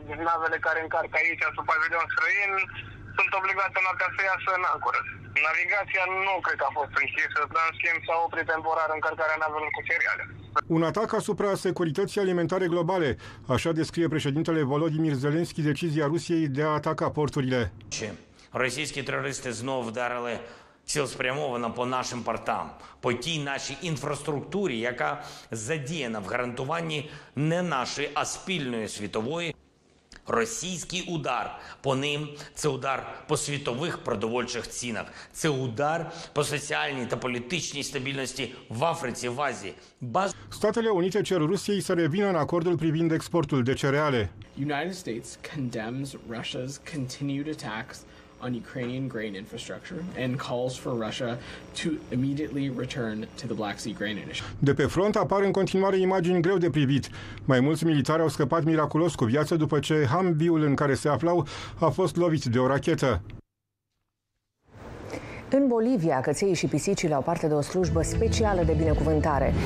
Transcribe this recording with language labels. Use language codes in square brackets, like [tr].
[ro] Navele care încarcă aici, sub pavilion străin, sunt obligate noaptea să iasă în ancoră. Navigația nu cred că a fost închisă, dar în schimb s-a oprit temporar încărcarea navelor cu seriale. Un atac asupra securității alimentare globale, așa descrie președintele Volodymyr Zelensky decizia Rusiei de a ataca porturile. Ce? [uk] Російські терористи знову вдарили цілеспрямовано по нашим портам, по тій нашій інфраструктурі, яка задіяна в гарантуванні не нашої, а спільної світової. Російський удар по ним – це удар по світових продовольчих цінах, це удар по соціальній та політичній стабільності в Африці, в Азії. [ro] Statele Unite cer Rusiei să revină în acordul privind exportul de cereale. [en] United States condemns Russia's continued attacks on Ukrainian grain infrastructure and calls for Russia to immediately return to the Black Sea grain initiative. [ro] De pe front apar în continuare imagini greu de privit. Mai mulți militari au scăpat miraculos cu viață după ce Humvee-ul în care se aflau a fost lovit de o rachetă. În Bolivia, căței și pisicile au parte de o slujbă specială de binecuvântare.